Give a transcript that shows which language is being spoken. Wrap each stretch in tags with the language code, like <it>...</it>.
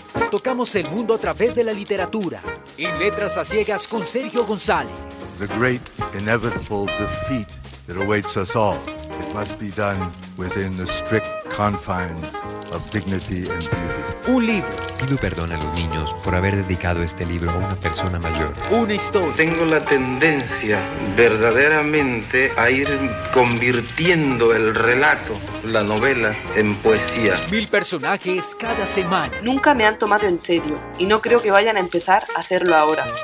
<es>Tocamos el mundo a través de la literatura. En Letras a Ciegas con Sergio González.</es> <en>The great, inevitable defeat that awaits us all. It must be done within the strict confines of dignity and beauty.</en> <es>Un libro. Pido perdón a los niños por haber dedicado este libro a una persona mayor. Una historia. Tengo la tendencia verdaderamente a ir convirtiendo el relato, la novela, en poesía. Mil personajes cada semana. Nunca me han tomado en serio y no creo que vayan a empezar a hacerlo ahora.</es>